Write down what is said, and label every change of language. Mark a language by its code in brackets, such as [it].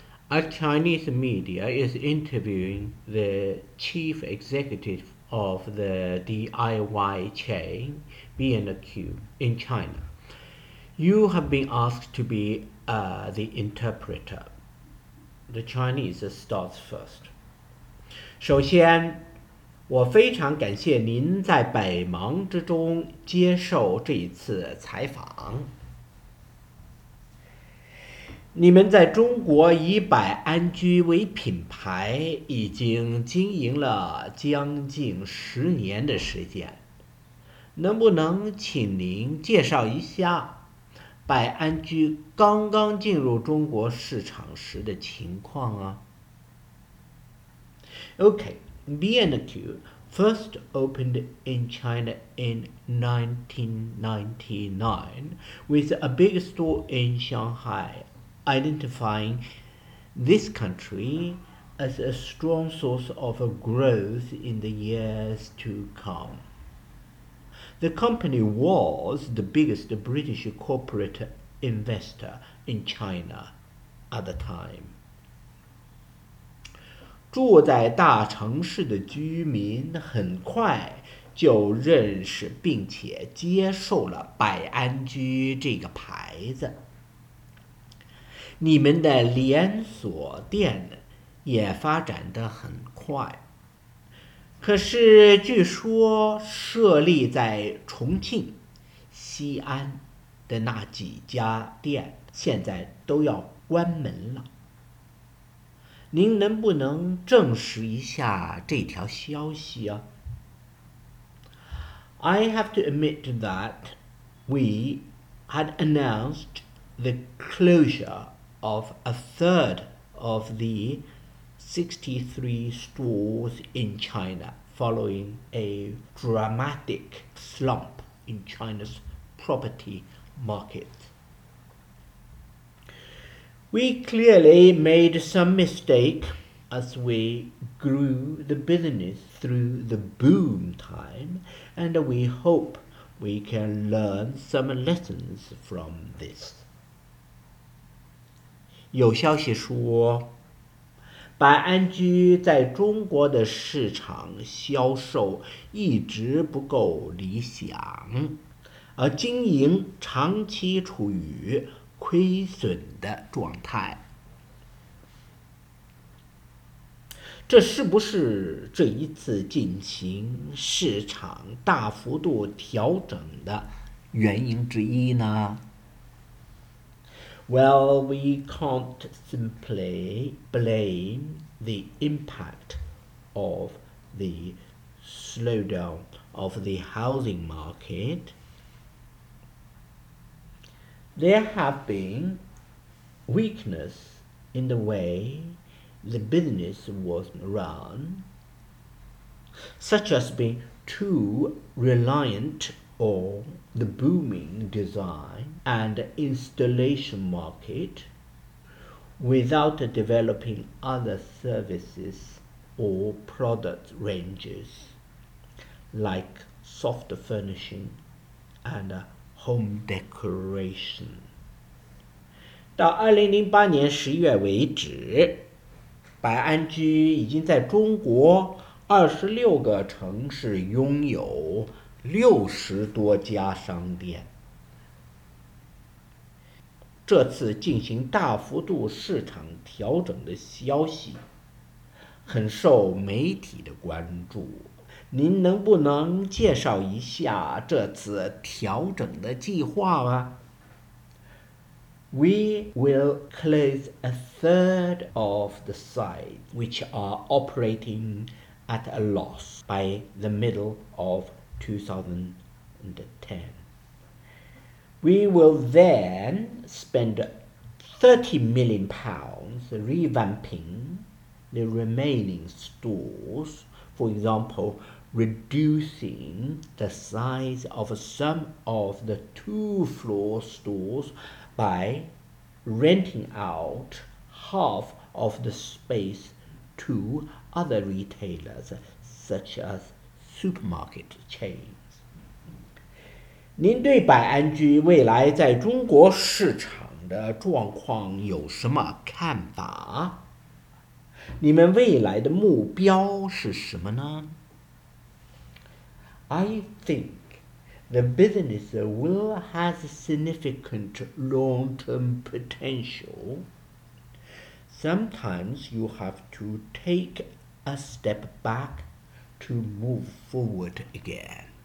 [en] A Chinese media is interviewing the chief executive of the DIY chain B&Q in China. You have been asked to be the interpreter. The Chinese starts first. [zh] 首先，我非常感谢您在百忙之中接受这一次采访。你们在中国以百安居为品牌已经经营了将近10年的时间，能不能请您介绍一下百安居刚刚进入中国市场时的情况啊？ [en] OK, B&Q first opened in China in 1999 with a big store in Shanghai. Identifying this country as a strong source of growth in the years to come. The company was the biggest British corporate investor in China at the time. [zh] 住在大城市的居民很快就认识并且接受了百安居这个牌子。你们的连锁店也发展得很快，可是据说设立在重庆、西安的那几家店现在都要关门了。您能不能证实一下这条消息啊？ [en] I have to admit that we had announced the closure. Of a third of the 63 stores in China following a dramatic slump in China's property market. We clearly made some mistake as we grew the business through the boom time, and we hope we can learn some lessons from this. [zh] 有消息说，百安居在中国的市场销售一直不够理想，而经营长期处于亏损的状态。这是不是这一次进行市场大幅度调整的原因之一呢？ [en] Well, we can't simply blame the impact of the slowdown of the housing market. There have been weakness in the way the business was run, such as being too reliant on the booming design and installation market without developing other services or product ranges like soft furnishing and home decoration. [zh] 到2008年10月为止，百安居已经在中国26个城市拥有60多家商店。这次进行大幅度市场调整的消息很受媒体的关注，您能不能介绍一下这次调整的计划吗？ [en] We will close a third of the sites which are operating at a loss by the middle of 2010. We will then spend £30 million revamping the remaining stores, for example, reducing the size of some of the two-floor stores by renting out half of the space to other retailers such as supermarket chains. [zh] 您对百安居未来在中国市场的状况有什么看法？你们未来的目标是什么呢？ [en] I think the business will have significant long-term potential. Sometimes you have to take a step back to move forward again.